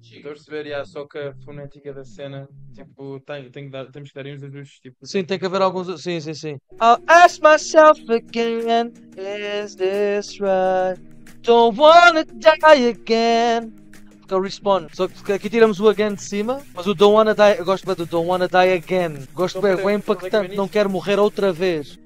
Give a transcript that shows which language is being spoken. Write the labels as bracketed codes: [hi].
[pt] Estou a perceber, já, só que a fonética da cena, tipo, temos que dar uns ajustes, tipo. Sim, tem que haver alguns. Sim. [en] I'll ask myself again, is this right? Don't wanna die again. [pt] Porque eu respawn. Só que aqui tiramos o again de cima. Mas o [en] don't wanna die. [pt] Eu gosto bem do [en] don't wanna die again. [pt] Gosto bem, é impactante. Não quero morrer outra vez.